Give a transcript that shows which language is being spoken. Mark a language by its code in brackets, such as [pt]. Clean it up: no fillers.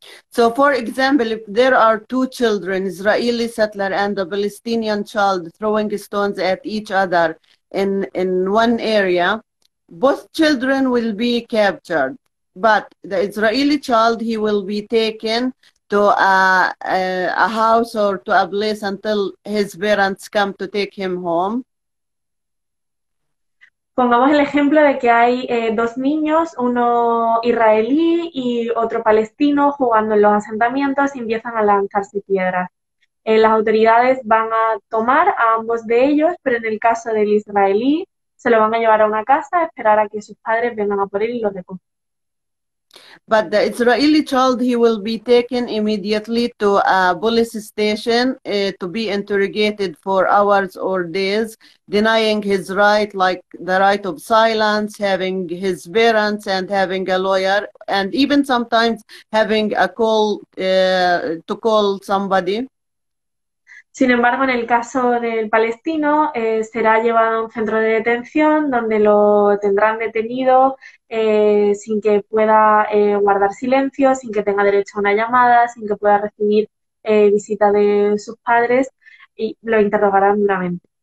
[en] So, for example, if there are two children, Israeli settler and a Palestinian child, throwing stones at each other in one area, both children will be captured, but the Israeli child, he will be taken to a house or to a place until his parents come to take him home. [es] Pongamos el ejemplo de que hay dos niños, uno israelí y otro palestino, jugando en los asentamientos, y empiezan a lanzarse piedras. Las autoridades van a tomar a ambos de ellos, pero en el caso del israelí, se lo van a llevar a una casa, a esperar a que sus padres vengan a por él y lo recogen. [en] But the Israeli child, he will be taken immediately to a police station to be interrogated for hours or days, denying his right, like the right of silence, having his parents and having a lawyer, and even sometimes having a call to call somebody. [es] Sin embargo, en el caso del palestino, será llevado a un centro de detención donde lo tendrán detenido sin que pueda guardar silencio, sin que tenga derecho a una llamada, sin que pueda recibir visita de sus padres, y lo interrogarán duramente.